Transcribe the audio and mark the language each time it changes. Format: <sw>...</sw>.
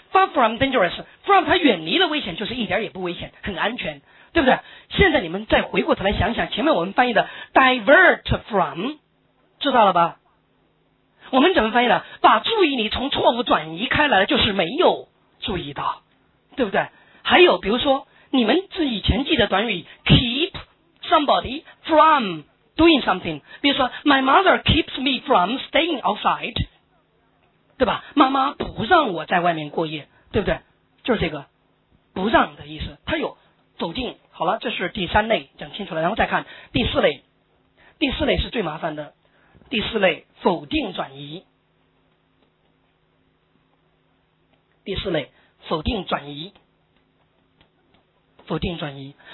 <en>far from dangerous， from</en> <zh>它远离了危险，就是一点也不危险，很安全，对不对？现在你们再回过头来想想前面我们翻译的</zh> <en>divert from，</en> <zh>知道了吧？我们怎么翻译的？把注意力从错误转移开来了，就是没有注意到，对不对？还有比如说你们自以前记的短语</zh> <en>keep somebody from doing something，</en> <zh>比如说</zh> <en>my mother keeps me from staying outside，</en> <zh>对吧？妈妈不让我在外面过夜，对不对？就是这个不让的意思，它有否定。好了，这是第三类，讲清楚了。然后再看第四类，第四类是最麻烦的，第四类否定转移，第四类否定转移，否定转移。</zh>